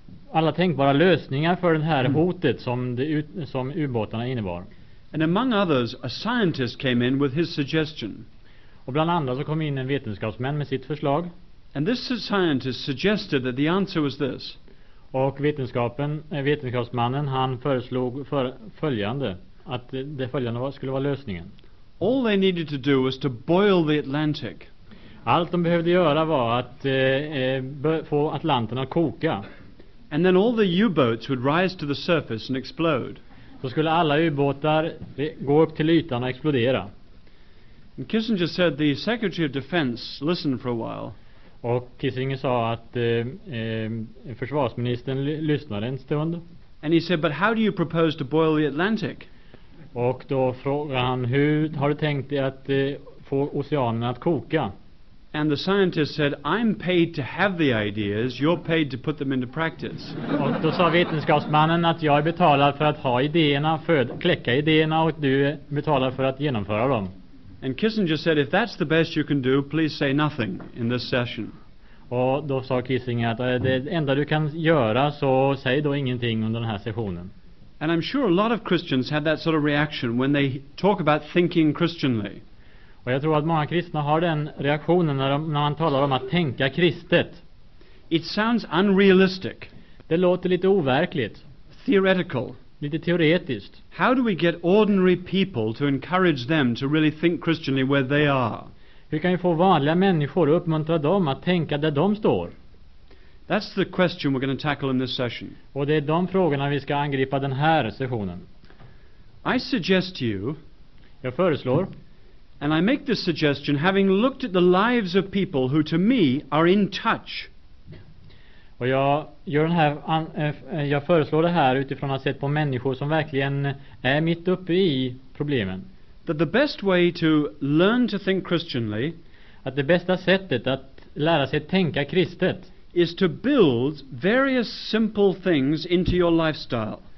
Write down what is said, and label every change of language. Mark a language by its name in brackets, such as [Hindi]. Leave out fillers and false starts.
[Swedish] Alla tänkbara lösningar för det här hotet som ubåtarna innebar. [English] And among others, a scientist came in with his suggestion. [Swedish] Och bland andra så kom in en vetenskapsman med sitt förslag. [English] And this scientist suggested that the answer was this. [Swedish] Och vetenskapsmannen han föreslog följande. Att det följande skulle vara lösningen. [English] All they needed to do was to boil the Atlantic. [Swedish] Allt de behövde göra var att få Atlanten att koka. [English] And then all the U-boats would rise to the surface and explode. [Swedish] Då skulle alla ubåtar gå upp till ytan och explodera. [English] And Kissinger said the Secretary of Defense listened for a while. [Swedish] Och Kissinger sa att försvarsministern lyssnade en stund. [English] And he said, but how do you propose to boil the Atlantic? [Swedish] Och då frågade han, hur har du tänkt dig att få oceanen att koka? [English] And the scientist said, I'm paid to have the ideas, you're paid to put them into practice. [Swedish] Och då sa vetenskapsmannen att jag är betalad för att ha idéerna, för att kläcka idéerna och du är betalad för att genomföra dem. [English] And Kissinger said, if that's the best you can do, please say nothing in this session. [Swedish] Och då sa Kissinger att det enda du kan göra så säg då ingenting under den här sessionen. [English] And I'm sure a lot of Christians have that sort of reaction when they talk about thinking Christianly. [Swedish] Och jag tror att många kristna har den reaktionen när man talar om att tänka kristet. [English] It sounds unrealistic. [Swedish] Det låter lite overkligt. [English] Theoretical. [Swedish] Lite teoretiskt. [English] How do we get ordinary people to encourage them to really think Christianly where they are? [Swedish] Hur kan vi få vanliga människor att uppmuntra dem att tänka där de står? [English] That's the question we're going to tackle in this session. [Swedish] Och det är de frågorna vi ska angripa den här sessionen. [English] I suggest to you. [Swedish] Jag föreslår. [English] And I make this suggestion having looked at the lives of people who to me are in touch. [Swedish] Och jag gör den här jag föreslår det här utifrån att ha sett på människor som verkligen är mitt uppe i problemen. [English] That the best way to learn to think Christianly, [Swedish] att det bästa sättet att lära sig tänka kristet, [English] is to build various simple things into your lifestyle.